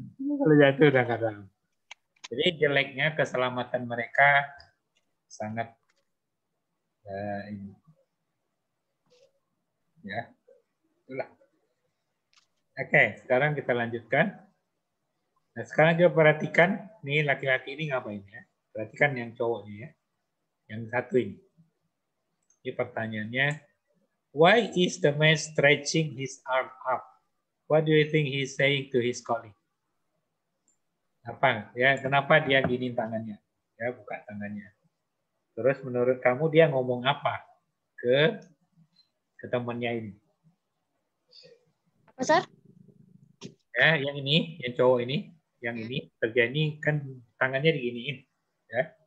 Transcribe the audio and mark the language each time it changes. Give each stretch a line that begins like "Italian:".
Indonesian: Kalau jatuh udah kadang. Jadi jeleknya keselamatan mereka sangat ini. Ya, itulah. Okay, sekarang kita lanjutkan. Nah, sekarang coba perhatikan, nih laki-laki ini ngapain ya? Perhatikan yang cowoknya ya. Yang satu ini. Ini pertanyaannya,
English: why is the man stretching his arm up? What do you think he's saying to his colleague?
Indonesian: Apa ya, kenapa dia giniin tangannya? Ya, buka tangannya. Terus menurut kamu dia ngomong apa ke temannya ini? Apa, sir? Ya, yang ini, yang cowok ini, yang ini terjadi kan tangannya diginiin, ya.